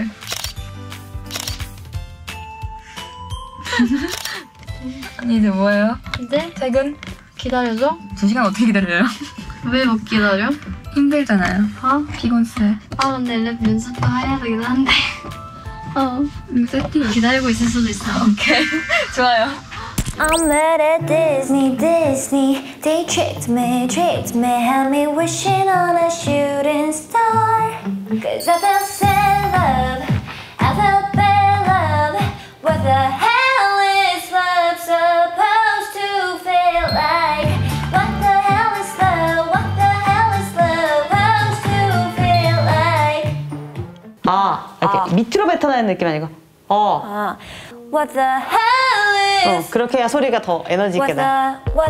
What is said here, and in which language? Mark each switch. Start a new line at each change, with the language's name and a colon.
Korean: 이제 뭐예요? 이제? 퇴근? 기다려줘? 2시간 어떻게 기다려요? 왜 못 기다려? 힘들잖아요. 어? 피곤스레. 아, 근데 랩 연습도 해야 되긴 한데. 어. 세팅. 기다리고 있을 수도 있어. 오케이. 좋아요.
English: I'm mad at Disney, Disney They tricked me Had me wishing on a shooting star Cause I felt sad love I felt bad love What the hell is love supposed to feel like? What the hell is love? What the hell is love supposed to feel like?
Korean: 아, 이렇게 아. 밑으로 뱉어내는 느낌 아니고 어
English: 아. What the hell is
Korean: 어, 그렇게 해야 소리가 더 에너지 있게 나.